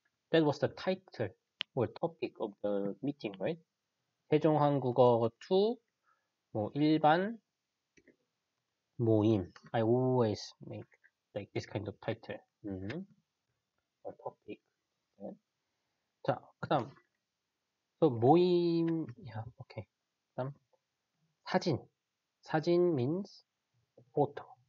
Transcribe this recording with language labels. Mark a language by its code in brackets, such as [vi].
[en] That was the title or topic of the meeting, right? [ko] 세종한국어 2, 뭐 일반 모임. [en] I always make like this kind of title. [ko] Topic. 자, 그다음 또 모임. 야, 오케이. 그다음 사진. 사진 [en] means photo.